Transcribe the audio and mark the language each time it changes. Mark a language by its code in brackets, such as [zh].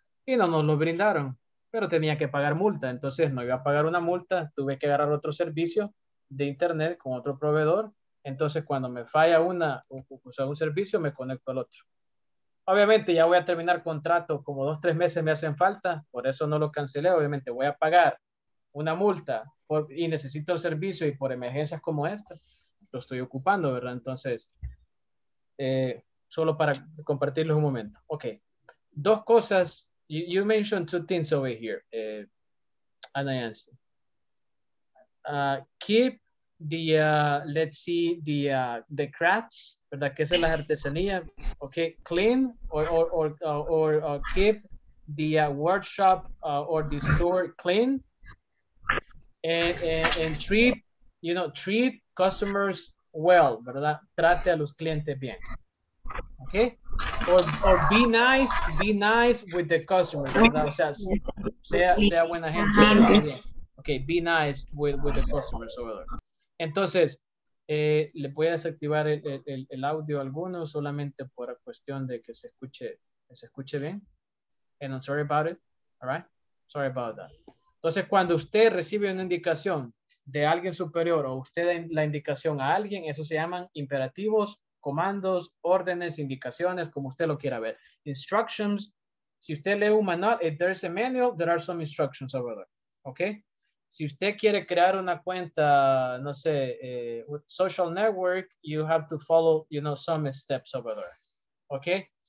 [es] Y no nos lo brindaron. Pero tenía que pagar multa, entonces no iba a pagar una multa, tuve que agarrar otro servicio de internet con otro proveedor, entonces cuando me falla un servicio, me conecto al otro. obviamente ya voy a terminar contrato, como 2-3 meses me hacen falta, por eso no lo cancelé, obviamente voy a pagar una multa por, y necesito el servicio y por emergencias como esta, lo estoy ocupando, ¿verdad? Entonces, solo para compartirles un momento. [en] Ok, [es] dos cosas, [en] you mentioned two things over here, and I answer. Keep the, let's see, the crafts, ¿verdad? [es] Que es la artesanía, [en] okay, clean, or keep the workshop or the store clean, and treat, you know, treat customers well, ¿verdad? [es] Trate a los clientes bien, okay? [en] Or be nice with the customers, [es] ¿verdad? O sea, sea buena gente, bien. [en] Okay, be nice with the customers over there. [es] Entonces, le voy a desactivar el audio a alguno solamente por cuestión de que se escuche bien. [en] And I'm sorry about it, all right? Sorry about that. [es] Entonces, cuando usted recibe una indicación de alguien superior o usted la indicación a alguien, eso se llaman imperativos, comandos, órdenes, indicaciones, como usted lo quiera ver. [en] Instructions, [es] si usted lee un manual, [en] if there's a manual, there are some instructions over there, okay? [es] Si usted quiere crear una cuenta, no sé, [en] social network, you have to follow, you know, some steps over there. Okay?